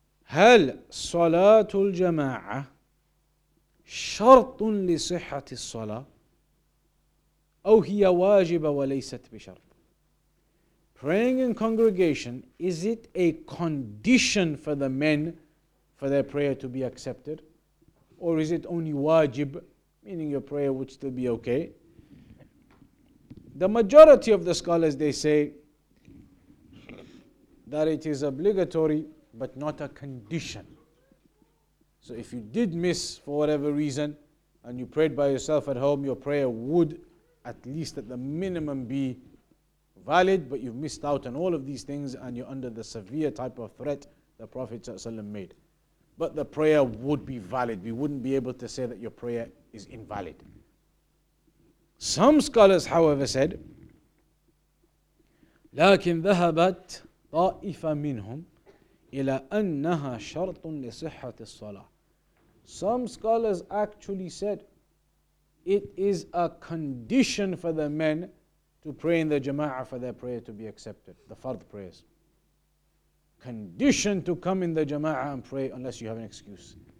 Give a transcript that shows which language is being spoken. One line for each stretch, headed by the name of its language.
Arabic: هل صلاة الجماعة شرط لصحة الصلاة أو هي واجبة وليست بشرط?
English: Praying in congregation, is it a condition for the men for their prayer to be accepted? Or is it only wajib, meaning your prayer would still be okay? The majority of the scholars, they say that it is obligatory, but not a condition. So if you did miss for whatever reason, and you prayed by yourself at home, your prayer would at least at the minimum be valid, but you've missed out on all of these things and you're under the severe type of threat the Prophet ﷺ made. But the prayer would be valid. We wouldn't be able to say that your prayer is invalid. Some scholars, however, said,
Arabic: لكن ذهبت طائفة منهم إلى أنها شرط لصحة الصلاة.
English: Some scholars actually said, it is a condition for the men to pray in the jama'ah for their prayer to be accepted, the fard prayers. Condition to come in the jama'ah and pray unless you have an excuse.